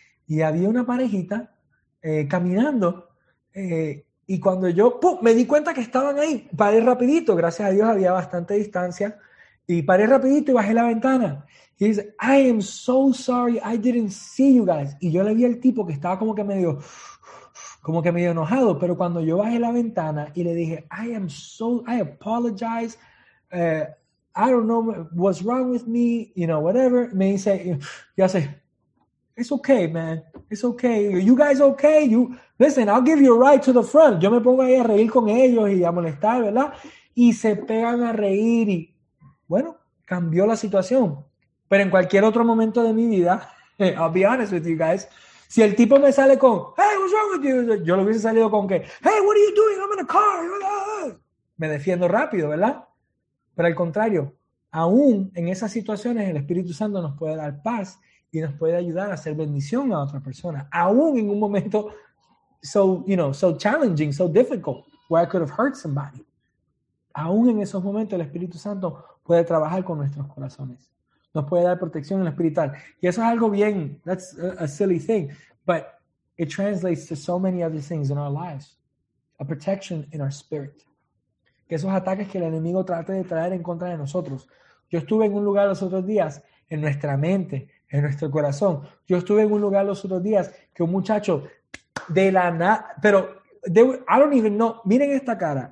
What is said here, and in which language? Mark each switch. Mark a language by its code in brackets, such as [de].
[es] Y había una parejita caminando y cuando yo, ¡pum!, me di cuenta que estaban ahí. Paré rapidito, gracias a Dios había bastante distancia. Y paré rapidito y bajé la ventana. Y dice, [en] I am so sorry, I didn't see you guys. [es] Y yo le vi al tipo que estaba como que medio enojado. Pero cuando yo bajé la ventana y le dije, [en] I am so, I apologize, I don't know what's wrong with me, you know, whatever. [es] Me dice, ya sé, [en] it's okay, man, it's okay. You guys okay? You listen, I'll give you a ride to the front. [es] Yo me pongo ahí a reír con ellos y a molestar, ¿verdad? Y se pegan a reír y, bueno, cambió la situación. Pero en cualquier otro momento de mi vida, [en] I'll be honest with you guys, [es] si el tipo me sale con, [en] hey, what's wrong with you? [es] Yo lo hubiese salido con que, [en] hey, what are you doing? I'm in a car. [es] Me defiendo rápido, ¿verdad? Pero al contrario, aún en esas situaciones, el Espíritu Santo nos puede dar paz y nos puede ayudar a hacer bendición a otra persona. Aún en un momento [en] so, you know, so challenging, so difficult, where I could have hurt somebody. [es] Aún en esos momentos, el Espíritu Santo puede trabajar con nuestros corazones. Nos puede dar protección en lo espiritual. Y eso es algo bien, [en] that's a silly thing, but it translates to so many other things in our lives. A protection in our spirit. [es] Que esos ataques que el enemigo trate de traer en contra de nosotros. Yo estuve en un lugar los otros días, en nuestra mente, en nuestro corazón. Yo estuve en un lugar los otros días que un muchacho de la nada, pero [en] I don't even know, [es] miren esta cara.